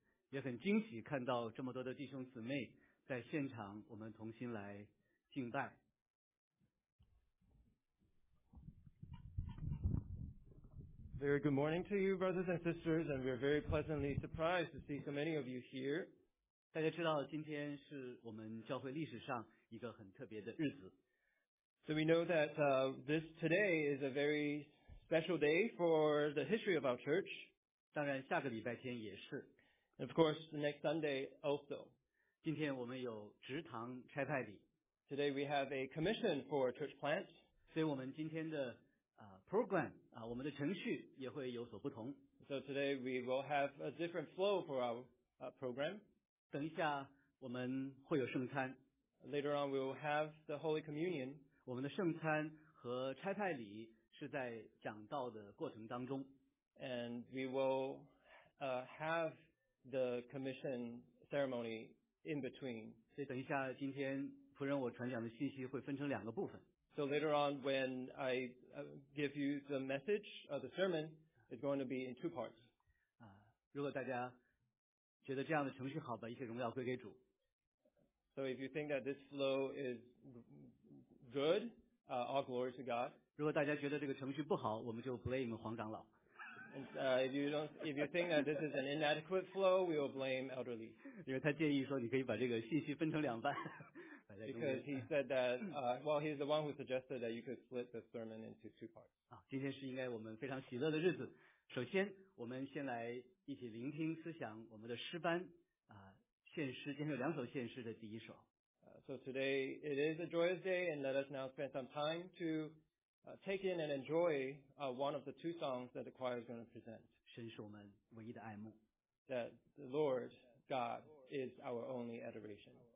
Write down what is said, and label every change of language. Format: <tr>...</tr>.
<zh>也很惊喜看到这么多的弟兄姊妹在现场，我们同心来敬拜。</zh> <en>Very good morning to you, brothers and sisters, and we're very pleasantly surprised to see so many of you here.</en> <zh>大家知道今天是我们教会历史上一个很特别的日子。</zh> <en>So we know that this today is a very special day for the history of our church.</en> <zh>当然下个礼拜天也是。</zh> <en>And of course, the next Sunday also.</en> <zh>今天我们有职堂差派礼。</zh> <en>Today we have a commission for church plant.</en> <zh>所以我们今天的program, 我们的程序也会有所不同。</zh> <en>So today we will have a different flow for our program.</en> <zh>等一下我们会有圣餐。</zh> <en>Later on we will have the Holy Communion.</en> <zh>我们的圣餐和差派礼是在讲道的过程当中。</zh> <en>And we will have the commission ceremony in between.</en> <zh>所以等一下今天仆人我传讲的信息会分成两个部分。</zh> <en>So later on, when I give you the message or the sermon, it's going to be in two parts.</en> <zh>如果大家觉得这样的程序好，把一切荣耀归给主。</zh> <en>So if you think that this flow is good, all glory to God.</en> <zh>如果大家觉得这个程序不好，我们就 blame 黄长老。</zh> <en>If you think that this is an inadequate flow, we will blame elderly.</en> <zh>因为他建议说，你可以把这个信息分成两半。</zh> <en>Because he said that, well, he's the one who suggested that you could split the sermon into two parts.</en> <zh>今天是应该我们非常喜乐的日子。首先，我们先来一起聆听思想我们的诗班献诗。今天有两首献诗的第一首。</zh> <en>So today it is a joyous day, and let us now spend some time to take in and enjoy one of the two songs that the choir is going to present.</en> <zh>神是我们唯一的爱慕。</zh> <en>That the Lord God is our only adoration.</en>